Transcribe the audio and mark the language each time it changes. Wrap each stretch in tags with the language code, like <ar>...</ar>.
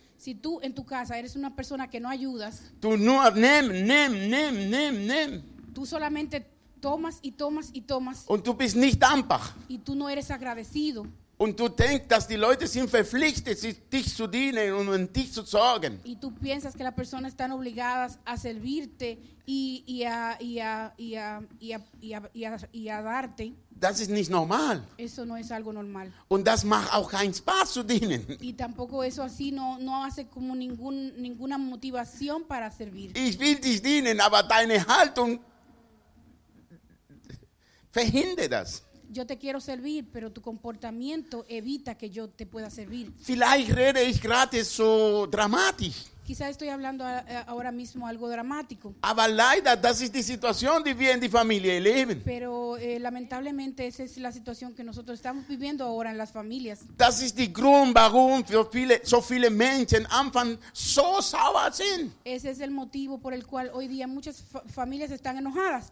<es>Si tú en tu casa eres una persona que no ayudas.</es> <de>Du nur nimm.</de> <es>Tú solamente tomas y tomas y tomas.</es> <de>Und du bist nicht dankbar.</de> <es>Y tú no eres agradecido.</es> <de>Und du denkst, dass die Leute sind verpflichtet, dich zu dienen und um dich zu sorgen.</de> <es>Y tú piensas que las personas están obligadas a servirte y a darte.</es> <de>Das ist nicht normal.</de> <es>Eso no es algo normal.</es> <de>Und das macht auch keinen Spaß zu dienen.</de> <es>Y tampoco eso así no hace como ninguna motivación para servir.</es> <de>Ich will dich dienen, aber deine Haltung verhindere das.</de> <es>Yo te quiero servir, pero tu comportamiento evita que yo te pueda servir.</es> <de>Vielleicht rede ich gerade so dramatisch.</de> <es>Quizá estoy hablando ahora mismo algo dramático.</es> <de>Aber leider, das ist die Situation, die wir in die Familie leben.</de> <es>Pero lamentablemente esa es la situación que nosotros estamos viviendo ahora en las familias.</es> <de>Das ist die Grund, warum so viele Menschen anfangen so sauer sind.</de> <es>Ese es el motivo por el cual hoy día muchas familias están enojadas.</es>